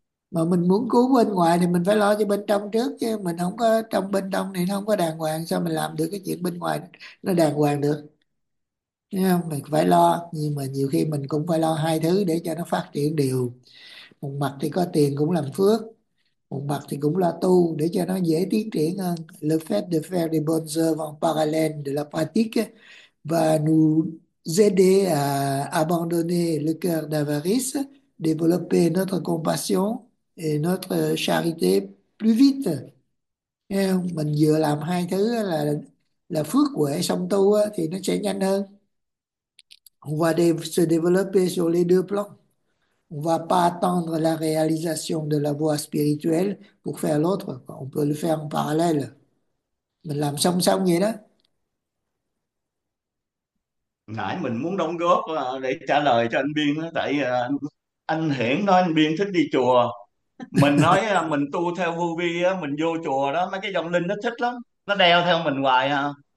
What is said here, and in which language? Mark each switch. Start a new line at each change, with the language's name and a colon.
Vietnamese: Mà mình muốn cứu bên ngoài thì mình phải lo cho bên trong trước chứ, mình không có trong bên trong thì nó không có đàng hoàng, sao mình làm được cái chuyện bên ngoài nó đàng hoàng được. Thấy không? Mình phải lo, nhưng mà nhiều khi mình cũng phải lo hai thứ để cho nó phát triển đều. Một mặt thì có tiền cũng làm phước, một mặt thì cũng lo tu để cho nó dễ tiến triển hơn.
French: Le fait de faire des bonnes œuvres en parallèle de la pratique và nous aider à abandonner le cœur d'avarice, développer notre compassion et notre charité plus vite.
Vietnamese: Mình vừa làm hai thứ là phước huệ song tu á, thì nó sẽ nhanh hơn.
French: On va se développer sur les deux plans. On va pas attendre la réalisation de la voie spirituelle pour faire l'autre. On peut le faire en parallèle.
Vietnamese: Mình làm song song vậy đó. Nãy mình muốn đóng góp để trả lời cho anh Biên đó, tại anh Hiển nói anh Biên thích đi chùa, mình nói mình tu theo vô vi, mình vô chùa đó mấy cái vong linh nó thích lắm, nó đeo theo mình hoài à.